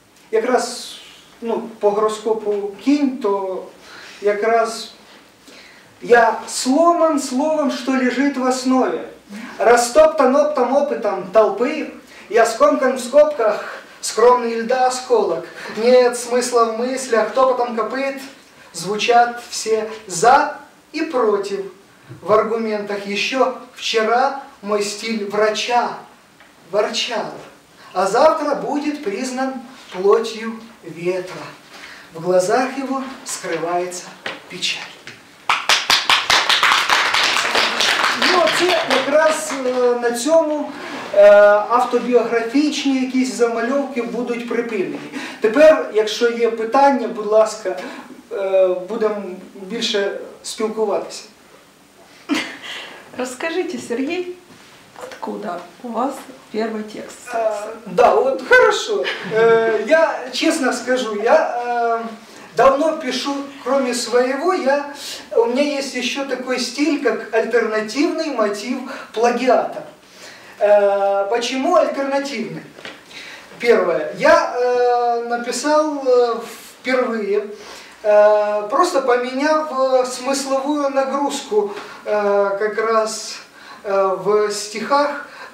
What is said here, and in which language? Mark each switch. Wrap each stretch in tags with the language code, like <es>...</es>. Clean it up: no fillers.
<uk>Якраз ну, по гороскопу кінь, то якраз</uk> <ru>я сломан словом,</ru> <uk>що лежить в основі.</uk> <ru>Растоптан оптом опытом толпы, я скомкан в скобках, скромный льда осколок. Нет смысла в мыслях, топотом копыт звучат все за и против в аргументах. Еще вчера мой стиль врача ворчал, а завтра будет признан плотью ветра. В глазах его скрывается печаль.</ru> <uk>Це якраз на цьому автобіографічні якісь замальовки будуть припинені. Тепер, якщо є питання, будь ласка, будемо більше спілкуватися. Розкажіть, Сергій,</uk> <ru>откуда у вас</ru> <uk>перший текст?</uk> <ru>Хорошо.</ru> <uk>Я чесно скажу,</uk> <ru>я давно пишу, кроме своего, у меня есть еще такой стиль, как альтернативный мотив плагиата. Почему альтернативный? Первое. Я написал впервые, просто поменяв смысловую нагрузку как раз в стихах.</ru>